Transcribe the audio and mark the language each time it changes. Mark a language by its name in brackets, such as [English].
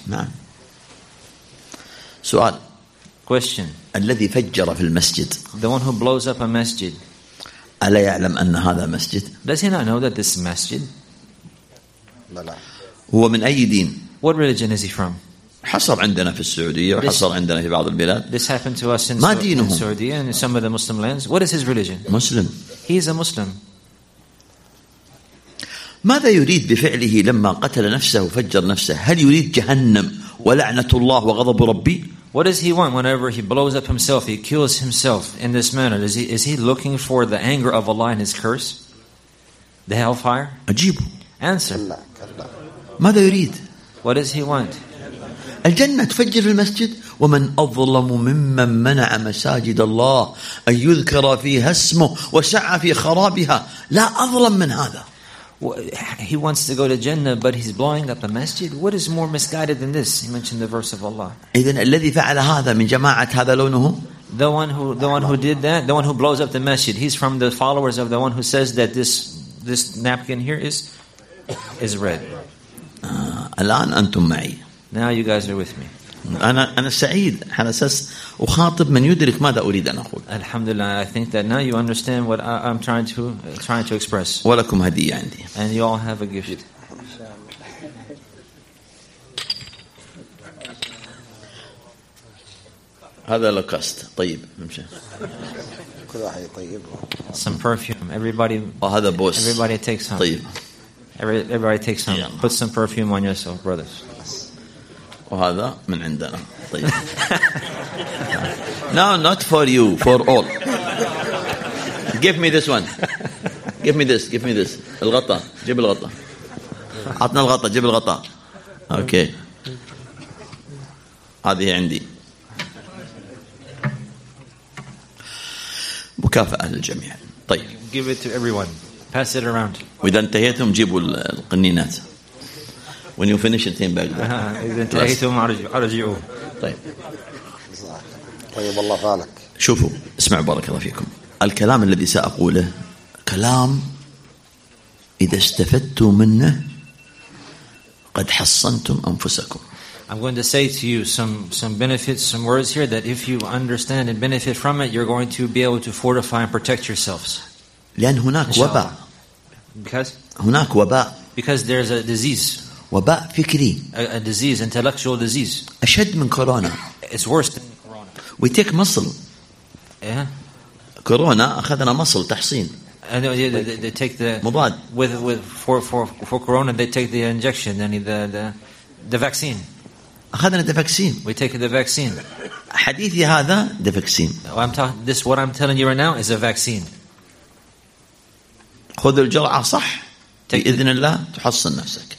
[Arabic] نعم. سؤال. [English] Question. [Arabic] الذي فجر في المسجد. [English] The one who blows up a masjid. [Arabic] ألا يعلم أن هذا مسجد؟ [English] Does he not know that this is masjid? [Arabic] لا. هو من أي دين؟ [English] What religion is he from? [Arabic] حصل عندنا في السعودية وحصل عندنا في بعض البلاد. [English] This happened to us in [Arabic] ما دينهم؟ [English] Saudi and in some of the Muslim lands. What is his religion? [Arabic] مسلم. [English] He is a Muslim. [Arabic] ماذا يريد بفعله لما قتل نفسه وفجر نفسه؟ هل يريد جهنم ولعنة الله وغضب ربي؟ [English] What does he want whenever he blows up himself, he kills himself in this manner? Is he looking for the anger of Allah and his curse, the hellfire? [Arabic] أجيب. [English] Answer. [Arabic] ماذا يريد؟ [English] What does he want? [Arabic] الجنة تفجر في المسجد ومن أظلم ممن منع مساجد الله أن يذكر فيها اسمه وسعى في خرابها لا أظلم من هذا. [English] He wants to go to Jannah, but he's blowing up a masjid. What is more misguided than this? He mentioned the verse of Allah. [Arabic] إذن الذي فعل هذا من جماعة هذا لونه؟ [English] The one who did that, the one who blows up the masjid, he's from the followers of the one who says that this napkin here is red. [Arabic] الآن أنتم معي. [English] Now you guys are with me. [Arabic] أنا سعيد على أساس أخاطب من يدرك ماذا أريد أن أقول. الحمد لله. [English] I think that now you understand what I'm trying to express. [Arabic] ولكم هدية عندي. [English] And you all have a gift. [Arabic] إن هذا لوكاست طيب امشي كل واحد طيب [English] some perfume everybody [Arabic] وهذا بوس [English] everybody takes some [Arabic] طيب [English] everybody takes some yeah. put some perfume on yourself brothers [Arabic] وهذا من عندنا طيب [English] no not for you for all give me this one [Arabic] give me this الغطاء جيب الغطاء عطنا الغطاء جيب الغطاء اوكي هذه عندي مكافأة للجميع طيب [English] give it to everyone pass it around [Arabic] واذا انتهيتم جيبوا القنينات [English] when you finish it in bag [Arabic] اذا انتهيتم ارجعوا طيب طيب الله فالك شوفوا اسمعوا بارك الله فيكم الكلام الذي سأقوله كلام اذا استفدتوا منه قد حصنتم انفسكم [English] I'm going to say to you some benefits, some words here that if you understand and benefit from it, you're going to be able to fortify and protect yourselves. [Arabic] لأن هناك وباء. [English] Because? [Arabic] هناك وباء. [English] Because there's a disease. [Arabic] وباء فكري. [English] A disease, intellectual disease. [Arabic] أشد من كورونا. [English] It's worse than corona. We take muscle. Yeah. [Arabic] كورونا أخذنا muscle تحصين. [English] And they take the [Arabic] مضاد. [English] With for corona they take the injection, the vaccine. [Arabic] أخذنا الدفاكسين. [English] We take the vaccine. [Arabic] حديثي هذا دفاكسين. [English] This what I'm telling you right now is a vaccine. [Arabic] خذ الجرعة صح. بإذن الله تحصن نفسك.